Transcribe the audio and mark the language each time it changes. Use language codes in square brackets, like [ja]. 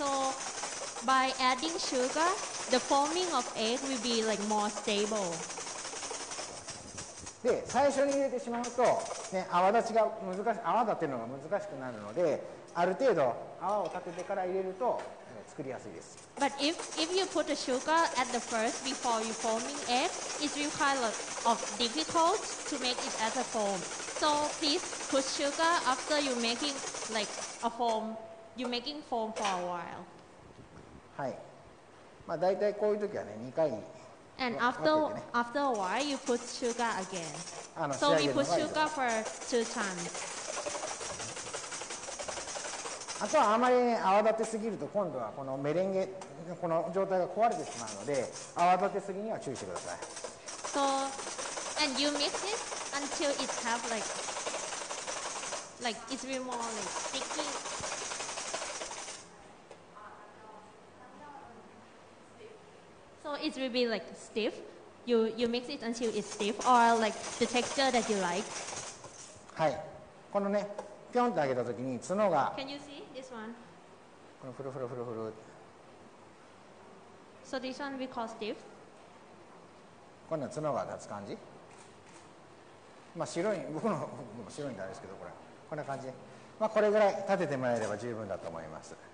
[en] So by adding sugar, the forming of egg will be like more stable. [ja] で、最初に入れてしまうとね、泡立てるのが難しくなるので、ある程度泡を立ててから入れると、ね、作りやすいです。 [en] But if you put the sugar at the first before you forming egg, it will kind of difficult to make it as a foam. So please put sugar after you making like a foam. You making foam for a while. [ja] はい。まあだいたいこういう時はね、2回。 [en] And after a while, you put sugar again. So we put sugar for two times. [ja] あとはあまり、ね、泡立てすぎると今度はこのメレンゲこの状態が壊れてしまうので、泡立てすぎには注意してください。 [en] So and you mix it. Until it have like it's been more like sticky. So it will be like stiff. You mix it until it's stiff or like the texture that you like. [ja] はい。このね、ピョンって上げたときに角が。 [en] Can you see this one? [ja] このフルフルフルフル。 [en] So this one we call stiff. [ja] この角が立つ感じ。まあ白い、僕の白いんであれですけど、これこんな感じ。まあこれぐらい立ててもらえれば十分だと思います。